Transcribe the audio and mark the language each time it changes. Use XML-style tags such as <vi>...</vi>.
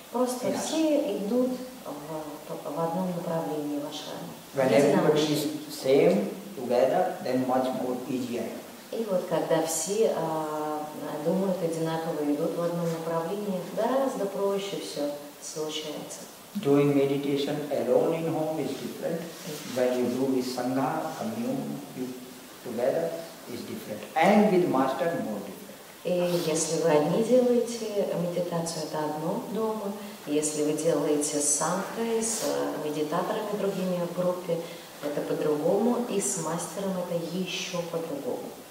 <ru>Просто все идут в одном направлении в ашраме.</ru> <en>When everybody is same together, then much more easier.</en> <ru>И вот когда все думают одинаково, идут в одном направлении, гораздо проще все случается.</ru> <en>Doing meditation alone in home is different. When you do with sangha, commune, you together is different. And with master more different.</en> <ru>И если вы одни делаете медитацию, это одно дома. Если вы делаете с сангхой, с медитаторами другими в группе, это по-другому. И с мастером это еще по-другому.</ru>